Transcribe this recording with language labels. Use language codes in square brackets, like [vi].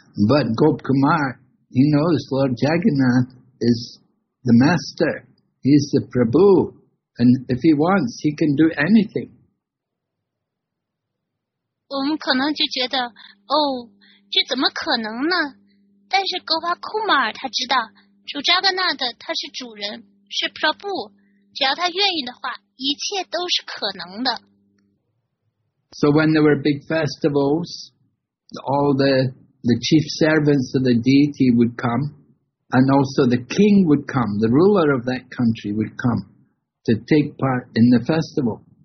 [en] But Gop Kumar, he knows Lord Jagannath is the master. He's the Prabhu. And if he wants, he can do anything. [zh] 我们可能就觉得，哦，这怎么可能呢？但是Gopa Kumar他知道，主Jagannath他是主人，是Prabhu。只要他愿意的话，一切都是可能的。 [en] So when there were big festivals, all the chief servants of the deity would come, and also the king would come, the ruler of that country would come to take part in the festival.